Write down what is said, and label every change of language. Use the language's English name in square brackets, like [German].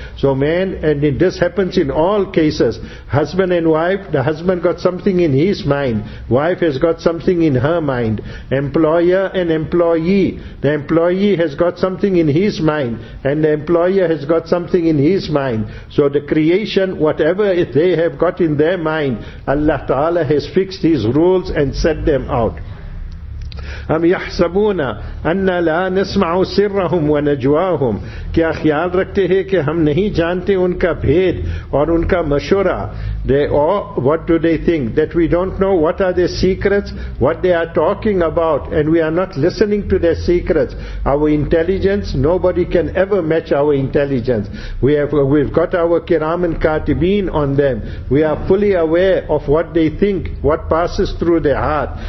[English] So man, and this happens in all cases, husband and wife, the husband got something in his mind, wife has got something in her mind, employer and employee, the employee has got something in his mind, and the employer has got something in his mind. So the creation, whatever they have got in their mind, Allah Ta'ala has fixed his rules and set them out. [Arabic] أم يحسبون أن لا نسمع سرهم ونجواهم؟ [Urdu] کیا خیال رکھتے ہیں کہ ہم نہیں جانتے ان کا بھید اور ان کا مشورہ؟ [English] What do they think? That we don't know what are their secrets, what they are talking about, and we are not listening to their secrets. Our intelligence, nobody can ever match our intelligence. We've got our kiram and katibin on them. We are fully aware of what they think, what passes through their heart.